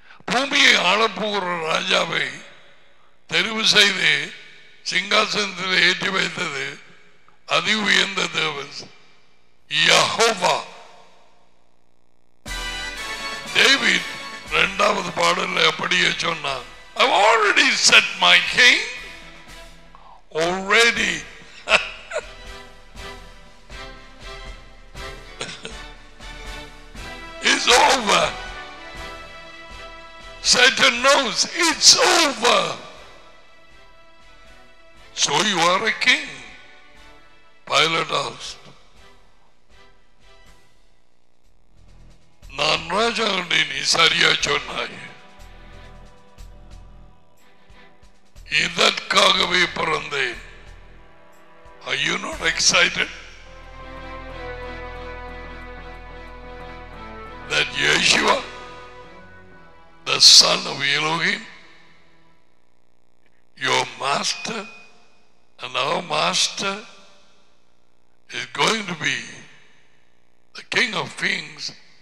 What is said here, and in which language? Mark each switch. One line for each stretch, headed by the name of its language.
Tamil: பூமியை ஆளப்போகிற ராஜாவை தெரிவு செய்து சிங்காசனத்தில் ஏற்றி வைத்தது அதி உயர்ந்த தேவன் யெகோவா. டேவிட் இரண்டாவது பாடல எப்படியே சொன்னார்,
English: I've already set my king already. It's over. Satan knows it's over. So you are a king. Pilate asked,
Tamil: நான் ராஜாவுடைய நீ சரியா சொன்னாய், இதற்காகவே பிறந்தேன்.
English: Are you not excited that Yeshua, the son of Elohim, your master and our master, is going to be the king of kings?